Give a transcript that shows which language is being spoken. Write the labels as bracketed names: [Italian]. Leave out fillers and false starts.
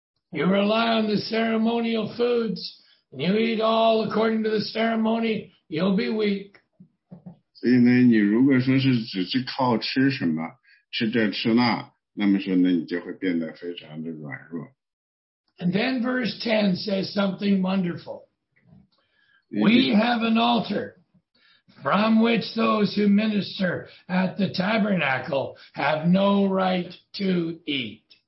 [English] You rely on the ceremonial foods, and you eat all according to the ceremony, you'll be weak. [Chinese] 所以呢，你如果说是只靠吃什么，吃这吃那，那么说呢，你就会变得非常的软弱。 [English] And then verse 10 says something wonderful. We have an altar from which those who minister at the tabernacle have no right to eat.